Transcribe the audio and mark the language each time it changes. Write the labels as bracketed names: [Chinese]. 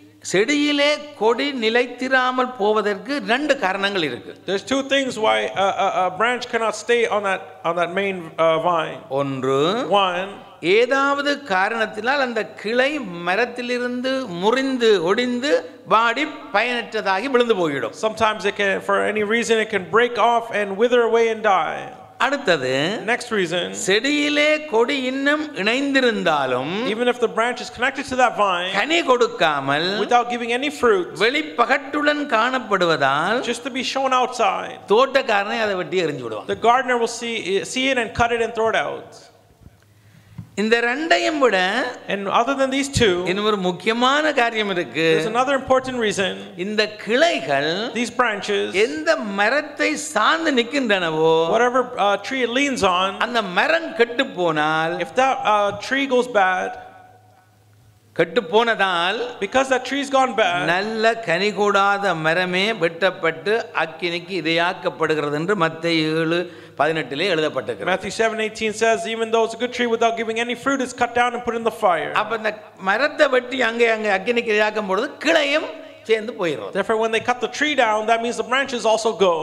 [Tamil] செடியிலே கொடி நிலைத்திராமல் போவதற்கு ரெண்டு காரணங்கள் இருக்கு. [English] There's two things why a branch cannot stay on that main vine. [Tamil] ஒன்று, [English] one, [Tamil] ஏதாவது காரணத்தினால் அந்த கிளை மரத்திலிருந்து முறிந்து ஒடிந்து வாடி பயனற்றதாகி விழுந்து போயிடும். [English] Sometimes it can, for any reason, it can break off and wither away and die. [Tamil] அடுத்தது, [English] next reason, [Tamil] செடியிலே கொடி இன்னும் இணைந்திருந்தாலும், [English] even if the branch is connected to that vine, [Tamil] கனி கொடுக்காமல், [English] without giving any fruit, [Tamil] வெளிப்பகட்டுடன் காணப்படுவதால், [English] just to be shown outside, [Tamil] தோட்டக்காரனே அதை வெட்டி எறிஞ்சிடுவான். [English] The gardener will see it and cut it and throw it out. [Tamil] இந்த ரெண்டையும் விட, [English] and other than these two, [Tamil] இன்னும் ஒரு முக்கியமான காரியம் இருக்கு. [English] There's another important reason. [Tamil] இந்த கிளைகள், [English] these branches, [Tamil] எந்த மரத்தை சார்ந்து நிக்கின்றனவோ, [English] whatever tree it leans on, [Tamil] அந்த மரம் கெட்டு போனால், [English] if that tree goes bad, [Tamil] கெட்டு போனதால், [English] because that tree's gone bad, [Tamil] நல்ல கனி கூடாத மரமே வெட்டப்பட்டு அக்கினிக்கு இரையாக்கப்படுகிறது என்று மத்தேயு 7:18 லே எழுதப்பட்டிருக்கிறது. [English] Matthew 7:18 says, even though it's a good tree without giving any fruit is cut down and put in the fire. [Tamil] அப்ப அந்த மரத்தை வெட்டி அங்கே அங்கே அக்கினிக்கு இரையாக்கும் பொழுது கிளையும் சேர்ந்து போயிடும். [English] Therefore, when they cut the tree down, that means the branches also go.